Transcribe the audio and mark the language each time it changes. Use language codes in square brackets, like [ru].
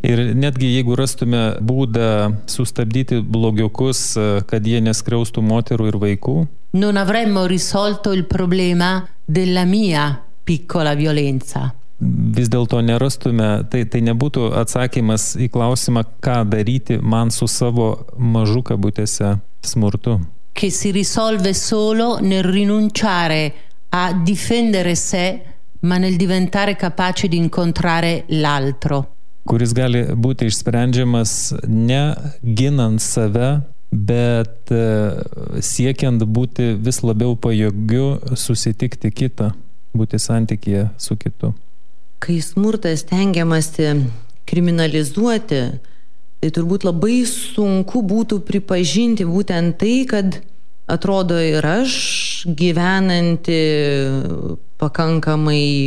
[lt] Ir netgi jeigu rastume būdą sustabdyti blogiukus, kad jie neskriaustų moterų ir vaikų, [it] non avremmo risolto il problema della mia piccola violenza. [lt] Vis dėlto nerastume, tai nebūtų atsakymas į klausimą, ką daryti man su savo mažu kabutėse smurtu. [it] Che si risolve solo nel rinunciare a difendere sé, ma nel diventare capace di incontrare l'altro. [lt] Kuris gali būti išsprendžiamas ne ginant save, bet siekiant būti vis labiau pajėgiu susitikti kitą, būti santykyje su kitu. Kai smurtas stengiamasi kriminalizuoti, tai turbūt labai sunku būtų pripažinti būtent tai, kad atrodo ir aš gyvenanti pakankamai